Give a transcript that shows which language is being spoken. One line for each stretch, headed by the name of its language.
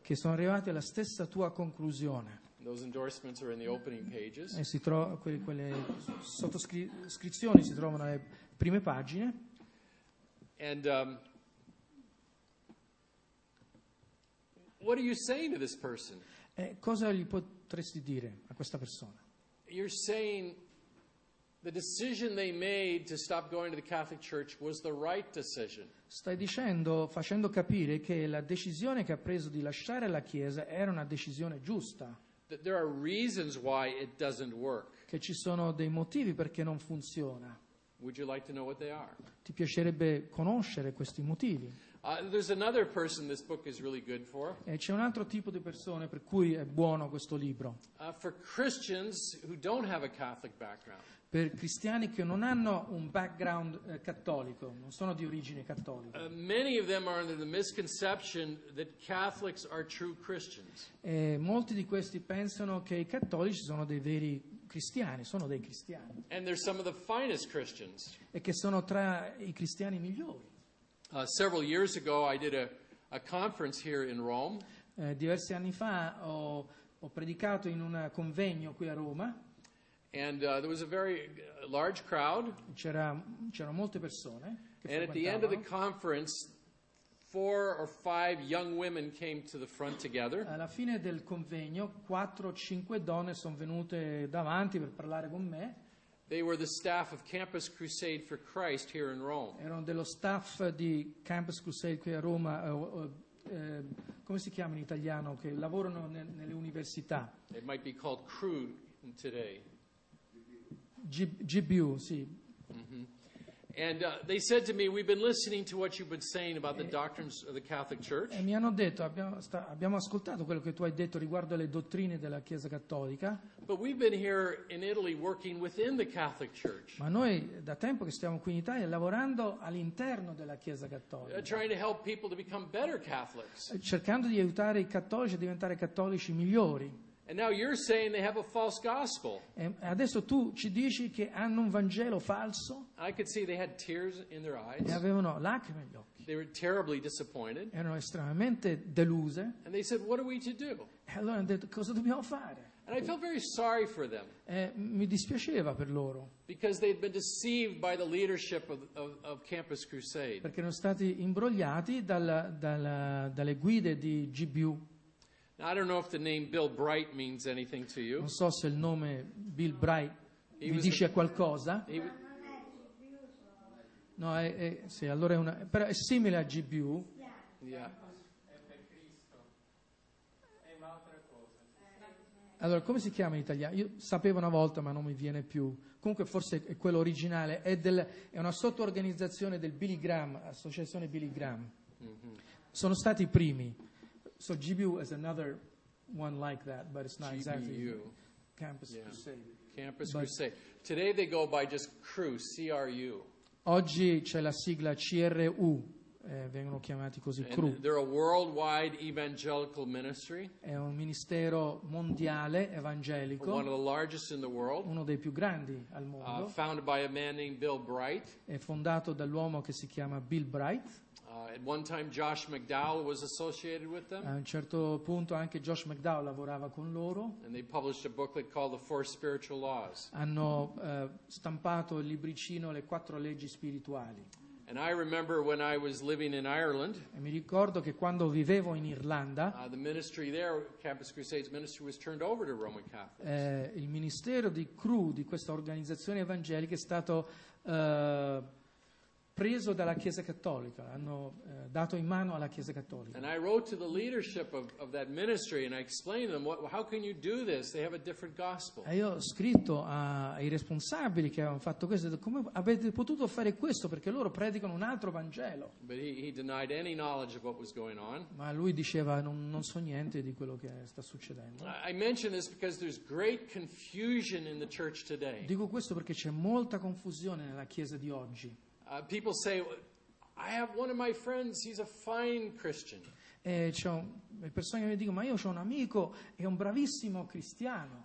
Italian: Che sono arrivati alla stessa tua conclusione.
English: Those endorsements are in the opening pages.
Italian: E si trova quelle sottoscrizioni si trovano alle prime pagine.
English: And what are you saying to this person?
Italian: Cosa gli potresti dire a questa persona?
English: You're saying the decision they made to stop going to the Catholic Church was the right decision.
Italian: Stai dicendo, facendo capire che la decisione che ha preso di lasciare la chiesa era una decisione giusta.
English: That there are reasons why it doesn't work.
Italian: Che ci sono dei motivi perché non funziona.
English: Would you like to know what they are?
Italian: Ti piacerebbe conoscere questi motivi?
English: There's another person this book is really good for.
Italian: E c'è un altro tipo di persone per cui è buono questo libro.
English: For Christians who don't have a Catholic background.
Italian: Per cristiani che non hanno un background cattolico, non sono di origine cattolica.
English: Many of them are under the misconception that Catholics are true Christians.
Italian: E molti di questi pensano che i cattolici sono dei veri cristiani, sono dei cristiani.
English: And they're some of the finest Christians.
Italian: E che sono tra i cristiani migliori.
English: Several years ago I did a conference here in Rome.
Italian: Diversi anni fa ho predicato in un convegno qui a Roma.
English: And there was a very large crowd.
Italian: C'erano molte persone.
English: And at the end of the conference, four or five young women came to the front together.
Italian: Alla fine del convegno, 4 o 5 donne sono venute davanti per parlare con me.
English: They were the staff of Campus Crusade for Christ here in Rome.
Italian: Erano dello staff di Campus Crusade qui a Roma. Come si chiama in italiano? Che lavorano nelle università.
English: It might be called CRU today.
Italian: GBU, sì.
English: And they said to me, we've been listening to what you've been saying about the doctrines of the Catholic Church.
Italian: E mi hanno detto, abbiamo ascoltato quello che tu hai detto riguardo alle dottrine della Chiesa Cattolica.
English: But we've been here in Italy working within the Catholic Church.
Italian: Ma noi da tempo che stiamo qui in Italia lavorando all'interno della Chiesa Cattolica.
English: Trying to help people to become better Catholics.
Italian: Cercando di aiutare i cattolici a diventare cattolici migliori.
English: And now you're saying they have a false gospel.
Italian: E adesso tu ci dici che hanno un Vangelo falso.
English: I could see they had tears in their eyes.
Italian: E avevano lacrime negli occhi.
English: They were terribly disappointed.
Italian: Erano estremamente deluse.
English: And they said, what are we to do?
Italian: E allora hanno detto, cosa dobbiamo fare?
English: And I felt very sorry for them.
Italian: E mi dispiaceva per loro.
English: Because they'd been deceived by the leadership of Campus Crusade.
Italian: Perché erano stati imbrogliati dalle guide di GBU.
English: I don't know if the name Bill Bright means anything to you.
Italian: Non so se il nome Bill Bright vi dice qualcosa. No, è sì, allora è una, però è simile a GBU.
English: Yeah.
Italian: Allora, come si chiama in italiano? Io sapevo una volta, ma non mi viene più. Comunque, forse è quello originale. È una sottoorganizzazione del Billy Graham, associazione Billy Graham. Mm-hmm. Sono stati i primi.
English: So GBU is another one like that, but it's not GBU. Exactly. GBU. Campus yeah. Crusade. Campus but Crusade. Today they go by just CRU, C-R-U.
Italian: Oggi c'è la sigla CRU. Vengono chiamati così, CRU.
English: They're a worldwide evangelical ministry.
Italian: È un ministero mondiale evangelico.
English: One of the largest in the world.
Italian: Uno dei più grandi al mondo.
English: Founded by a man named Bill Bright.
Italian: È fondato dall'uomo che si chiama Bill Bright.
English: At one time Josh McDowell was associated with them.
Italian: A un certo punto anche Josh McDowell lavorava con loro.
English: And they published a booklet called The Four Spiritual Laws.
Italian: Hanno stampato il libricino Le Quattro Leggi Spirituali.
English: And I remember when I was living in Ireland.
Italian: E mi ricordo che quando vivevo in Irlanda.
English: The ministry there, Campus Crusade's ministry, was turned over to Roman Catholics.
Italian: Il ministero di CRU, di questa organizzazione evangelica, è stato preso dalla Chiesa Cattolica. Hanno dato in mano alla Chiesa Cattolica.
English: And I wrote to the leadership of that ministry, and I explained to them how can you do this? They have a different gospel.
Italian: E io ho scritto ai responsabili che avevano fatto questo. Come avete potuto fare questo? Perché loro predicano un altro Vangelo.
English: But he denied any knowledge of what was going on.
Italian: Ma lui diceva non so niente di quello che sta succedendo.
English: I mention this because there's great confusion in the church today.
Italian: Dico questo perché c'è molta confusione nella Chiesa di oggi.
English: People say, I have one of my friends, he's a fine Christian.
Italian: Le persone che mi dicono, ma io ho un amico, è un bravissimo cristiano.